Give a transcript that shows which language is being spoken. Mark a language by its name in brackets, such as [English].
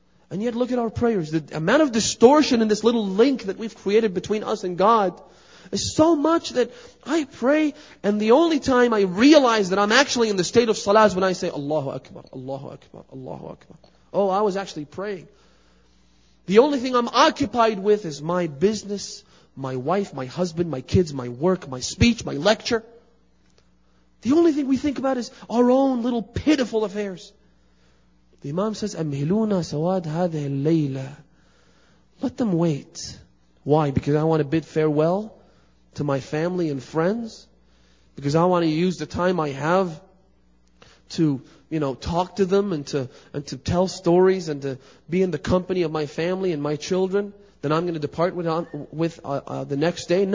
[English] And yet look at our prayers. The amount of distortion in this little link that we've created between us and God is so much that I pray and the only time I realize that I'm actually in the state of salah is when I say, Allahu Akbar, Allahu Akbar, Allahu Akbar. Oh, I was actually praying. The only thing I'm occupied with is my business, my wife, my husband, my kids, my work, my speech, my lecture. The only thing we think about is our own little pitiful affairs. The Imam says, [Arabic] أَمْهِلُونَ سَوَادْ هَذَا اللَّيْلَ. [English] Let them wait. Why? Because I want to bid farewell to my family and friends? Because I want to use the time I have to, you know, talk to them and to tell stories and to be in the company of my family and my children that I'm going to depart with the next day?